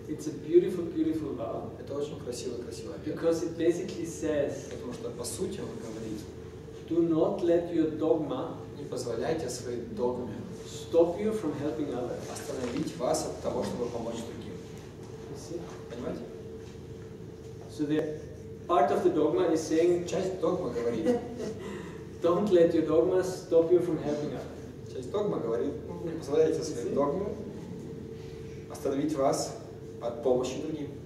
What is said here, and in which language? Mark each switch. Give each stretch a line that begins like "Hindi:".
English: It's a beautiful, beautiful vow.
Russian: Это очень красивое, красивое.
English: Because it basically says.
Russian: Потому что по сути он говорит.
English: Do not let your dogma.
Russian: Не позволяйте своей догме.
English: Stop you from helping others.
Russian: Остановить вас от того, чтобы помочь другим.
English: You see?
Russian: Понимаете?
English: So the part of the dogma is saying.
Russian: Часть догмы говорит.
English: Don't let your dogma stop you from helping others.
Russian: Часть догмы говорит, не позволяйте своей догме остановить вас от помощи другим.